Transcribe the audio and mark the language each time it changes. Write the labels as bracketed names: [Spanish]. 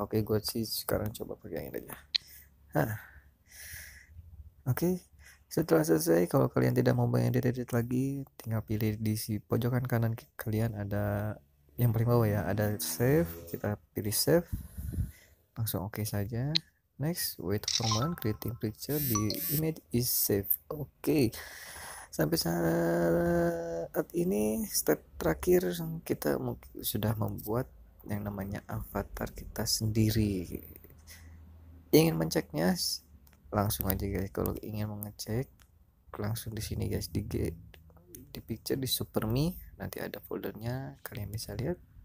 [Indonesian] Oke, gue sih sekarang coba pakai yang ini aja. Hah. Oke, setelah selesai, kalau kalian tidak mau banyak edit-edit lagi, tinggal pilih di si pojokan kanan kalian ada yang paling bawah ya, ada save, kita pilih save, langsung oke saja. [English] Next, wait for a moment, creating picture, the image is save. [Indonesian] Oke, sampai saat ini step terakhir kita sudah membuat yang namanya avatar kita sendiri. Ingin menceknya? Langsung aja guys, kalau ingin mengecek langsung di sini guys, di picture di SuperMII, nanti ada foldernya, kalian bisa lihat.